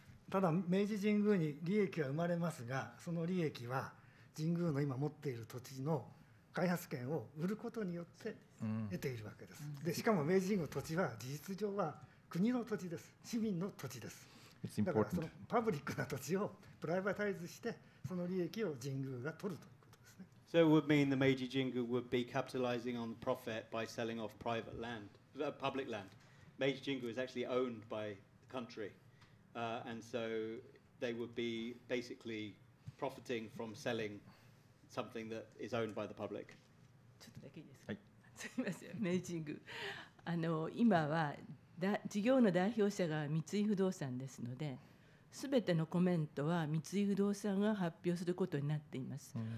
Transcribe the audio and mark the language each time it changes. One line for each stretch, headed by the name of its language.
Japanese: ただ明治神宮に利益は生まれますが、その利益は神宮の今持っている土地の開発権を売ることによって得ているわけです。うん、でしかも明治神宮土地は事実上は国の土地です。市民の土地です。だからそのパブリックな土地をプライバタイズしてその利益を神宮が取るということですね。
English: So it would mean the Meiji Jingu would be capitalizing on profit by selling off private land, public land. Meiji Jingu is actually owned by the country, and so they would be basically profiting from selling something that is owned by the public.
Japanese: ちょっとだけいいですか。すみません、明治神宮。あの今は事業の代表者が三井不動産ですので、すべてのコメントは三井不動産が発表することになっています。